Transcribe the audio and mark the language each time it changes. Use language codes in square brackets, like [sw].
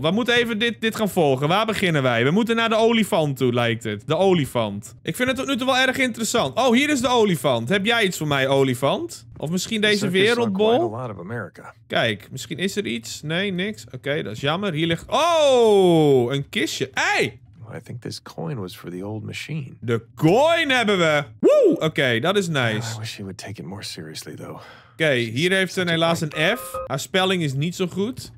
[nl] We moeten even dit gaan volgen. Waar beginnen wij? We moeten naar de olifant toe, lijkt het. De olifant. Ik vind het tot nu toe wel erg interessant. Oh, hier is de olifant. Heb jij iets voor mij, olifant? Of misschien deze wereldbol? Kijk, misschien is er iets. Nee, niks. Oké, dat is jammer. Hier ligt... Oh, een kistje. Hey! [en] I think this coin was for the old machine. [nl] De coin hebben we! Woe! Oké, dat is nice. [en] I wish he would take it more seriously, though. [nl] Oké, hier heeft ze helaas een F. Haar spelling is niet zo goed.